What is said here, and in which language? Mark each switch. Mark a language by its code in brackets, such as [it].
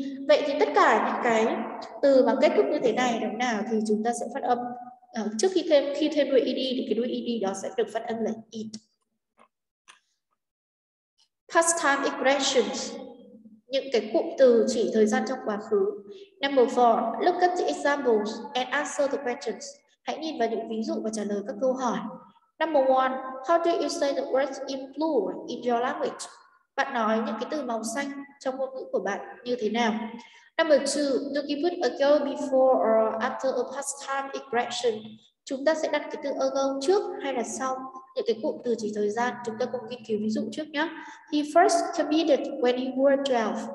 [vi] Vậy thì tất cả những cái từ mà kết thúc như thế này đúng nào thì chúng ta sẽ phát âm trước khi thêm đuôi ED thì cái đuôi ED đó sẽ được phát âm là it. [en] Past time expressions. [vi] Những cái cụm từ chỉ thời gian trong quá khứ. [en] Number 4, look at the examples and answer the questions. [vi] Hãy nhìn vào những ví dụ và trả lời các câu hỏi. [en] Number 1, how do you say the words in blue in your language? [vi] Bạn nói những cái từ màu xanh trong ngôn ngữ của bạn như thế nào? [en] Number 2, do you put a go before or after a past time expression? [vi] Chúng ta sẽ đặt cái từ ago trước hay là sau những cái cụm từ chỉ thời gian. Chúng ta cùng nghiên cứu ví dụ trước nhé. [en] He first competed when he was 12.